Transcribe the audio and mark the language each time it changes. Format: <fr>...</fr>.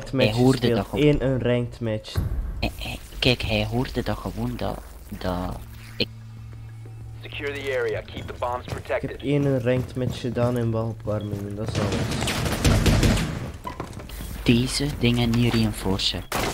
<nl>Hij hoorde dat ik een ranked match. Kijk, hij hoorde dat gewoon dat ik.</nl> <en>Secure the area, keep the bombs protected.</en> <nl>Ik heb één ranked match gedaan in balopwarming, dat is alles. Deze dingen niet reinforcen.</nl>